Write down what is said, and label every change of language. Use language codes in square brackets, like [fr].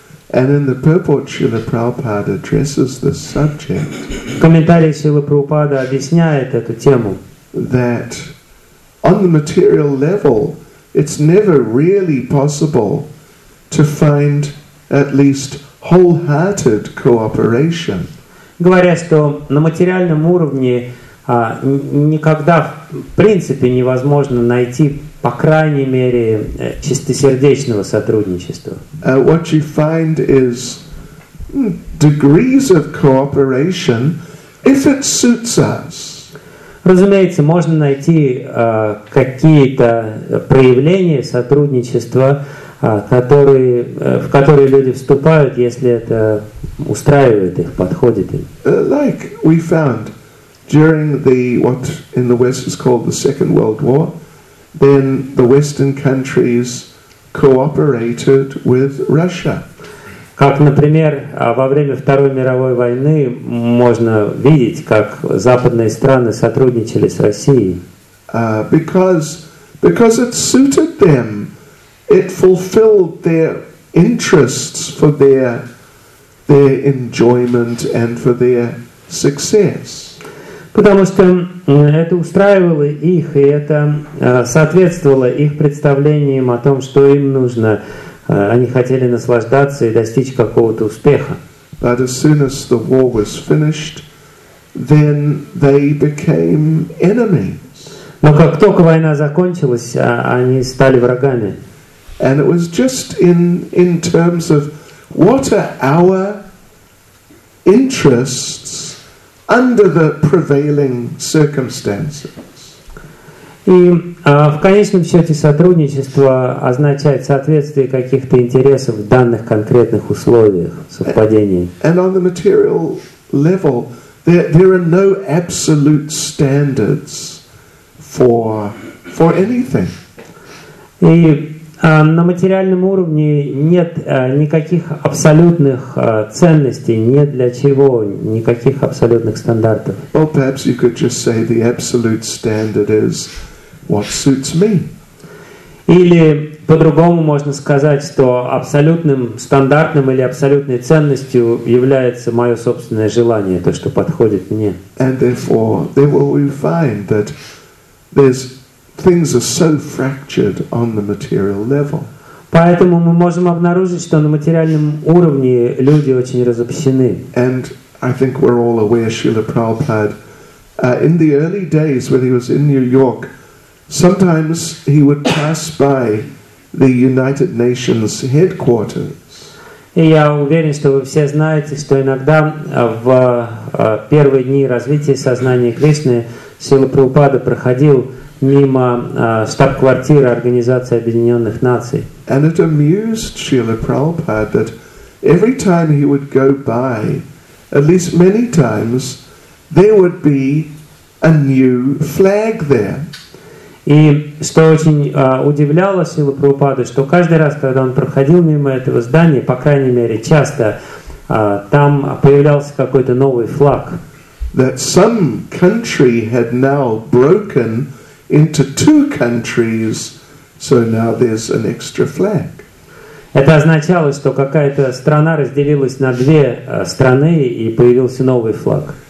[en] And in the purport, Srila Prabhupada addresses the subject, [ru] в комментарии Шрила Прабхупада объясняет эту тему, [en] that on the material level, it's never really possible to find at least wholehearted cooperation. [ru] Говоря, что на материальном уровне никогда в принципе невозможно найти, по крайней мере, чистосердечного сотрудничества. [en] What you find is degrees of cooperation, if it suits us. [ru] Разумеется, можно найти какие-то проявления сотрудничества, в которые люди вступают, если это устраивает их, подходит им. [en] Like we found during the what in the West is called the Second World War, then the Western countries cooperated with Russia. [ru] Как, например, во время Второй мировой войны можно видеть, как западные страны сотрудничали с Россией. [en] Because it suited them. It fulfilled their interests for their enjoyment and for their success. [ru] Потому что это устраивало их, и это соответствовало их представлениям о том, что им нужно. Они хотели наслаждаться и достичь какого-то успеха. [en] But as soon as the war was finished, then they became enemies. [ru] Но как только война закончилась, они стали врагами. [en] And it was just in terms of what are our interests under the prevailing circumstances. [ru] И в конечном счете сотрудничество означает соответствие каких-то интересов в данных конкретных условиях, совпадение. [en] And on the material level, There are no absolute standards for anything. [ru] И на материальном уровне нет никаких абсолютных ценностей, нет для чего никаких абсолютных стандартов. [en] Well, perhaps you could just say the absolute standard is what suits me. [ru] Или по-другому можно сказать, что абсолютным стандартным или абсолютной ценностью является мое собственное желание, то, что подходит мне. [en] And therefore, there will we find that there's things are so fractured on the material level. [ru] Поэтому мы можем обнаружить, что на материальном уровне люди очень разобщены. [en] And I think we're all aware, Srila Prabhupada, in the early days when he was in New York, sometimes he would pass by the United Nations headquarters. [ru] И я уверен, что вы все знаете, что иногда в первые дни развития сознания Кришны Сила Прабхупада проходил мимо штаб-квартиры Организации Объединенных Наций. [en] And it amused Srila Prabhupada that every time he would go by, at least many times, there would be a new flag there. [ru] И что очень удивляло Силу Прабхупады, что каждый раз, когда он проходил мимо этого здания, по крайней мере, часто, там появлялся какой-то новый флаг. [en] That some country had now broken into two countries, so now there's an extra flag. [ru] Это означало, что какая-то страна разделилась на две страны, и появился новый флаг.